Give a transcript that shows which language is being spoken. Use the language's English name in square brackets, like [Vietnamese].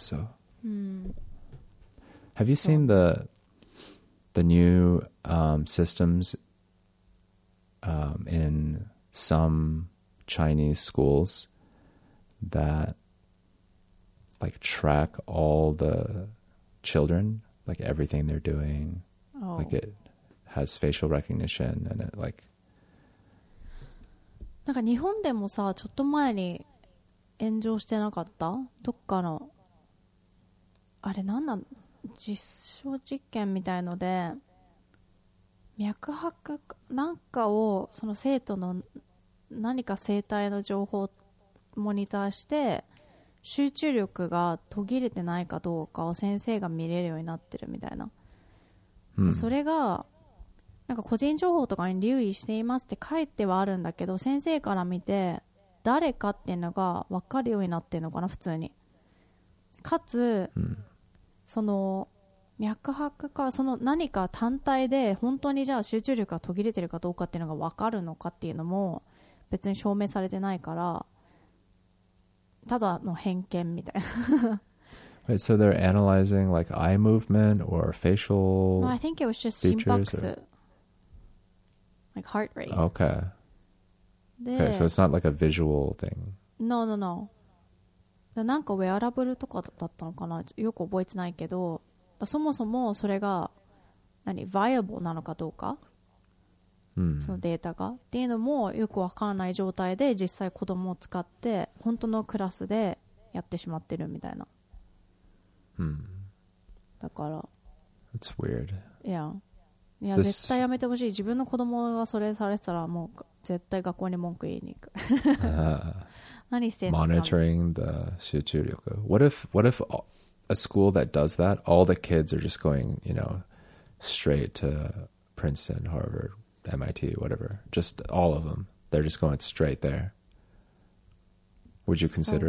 [English] So, have you seen the new systems in some Chinese schools that like track all the children, like everything they're doing? Oh. Like it has facial recognition and it like, [Japanese] なんか日本でもさ、ちょっと前に炎上してなかった？どっかのあれ、なんなん、実証実験みたいので脈拍なんかをその生徒の何か生体の情報をモニターして集中力が途切れてないかどうかを先生が見れるようになってるみたいな、それがなんか個人情報とかに留意していますって書いてはあるんだけど、先生から見て誰かっていうのが分かるようになってるのかな、普通に。かつ、その脈拍かその何か単体で本当にじゃあ集中力が途切れてるかどうかっていうのが分かるのかっていうのも別に証明されてないから、ただの偏見みたいな。 [English] Wait, so they're analyzing like eye movement or facial features? No, I think it was just 心拍数 or... like heart rate. Okay. Okay, so it's not like a visual thing. No, no, no. [Japanese] なんかウェアラブルとかだったのかな、よく覚えてないけど、そもそもそれが何 viable なのかどうか、そのデータがっていうのもよく分からない状態で実際子供を使って本当のクラスでやってしまってるみたいな、だから [English] That's weird. [Japanese] Yeah. いや、絶対やめてほしい。自分の子供がそれされてたらもう絶対学校に文句言いに行く。何してんの、 [English] Monitoring the 集中力。 What if a school that does that, all the kids are just going, you know, straight to Princeton, Harvard, MIT, whatever, just all of them, they're just going straight there. Would you consider